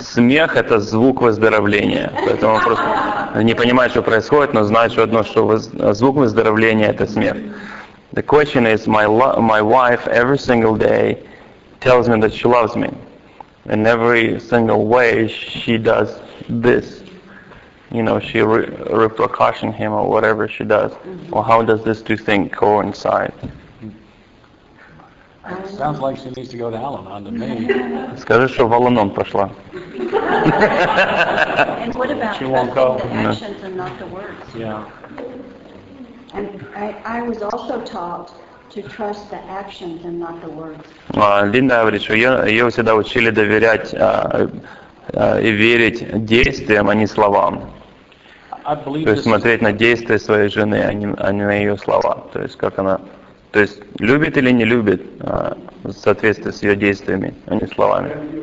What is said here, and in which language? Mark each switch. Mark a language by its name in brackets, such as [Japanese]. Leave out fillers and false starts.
[Russian] Смех – это звук выздоровления. Поэтому он просто не понимает, что происходит, но знает, что одно, что звук выздоровления – это смех. [English] The question is, my wife every single day tells me that she loves me. In every single way she does this. You know, she repercussion him or whatever she does. Mm-hmm. Well, how does this two things coincide? Sounds like she needs to go to Al-Anon to me. [Russian] Скажи, что в Al-Anon пошла. [English] And what about the actions and not the words? Yeah. And I was also taught to trust the actions and not the words. [Russian] Линда говорит, что ее всегда учили доверять и верить действиям, а не словам. То есть смотреть на действия своей жены, а не на ее слова. То есть как она, то есть любит или не любит, в соответствии с ее действиями, а не словами.